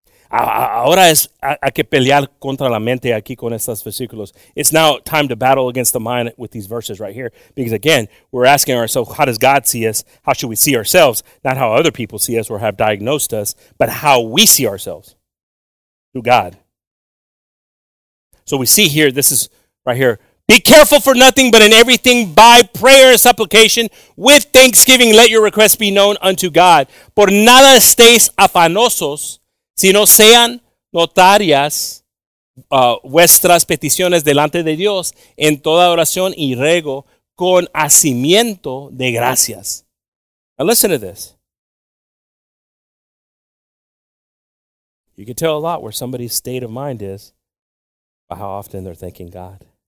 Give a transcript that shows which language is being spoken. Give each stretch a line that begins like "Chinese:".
Spanish: Ahora es hay que pelear contra la mente aquí con estos versículos.
English: It's now time to battle against the mind with these verses right here. Because again, we're asking ourselves, how does God see us? How should we see ourselves? Not how other people see us or have diagnosed us, but how we see ourselves through God. So we see here, this is right here, be careful for nothing, but in everything, by prayer and supplication, with thanksgiving, let your requests be known unto God.
Spanish: Por nada estéis afanosos, sino sean notarias vuestras peticiones delante de Dios en toda oración y ruego con hacimiento de gracias.
English: Now listen to this. You can tell a lot where somebody's state of mind is by how often they're thanking God.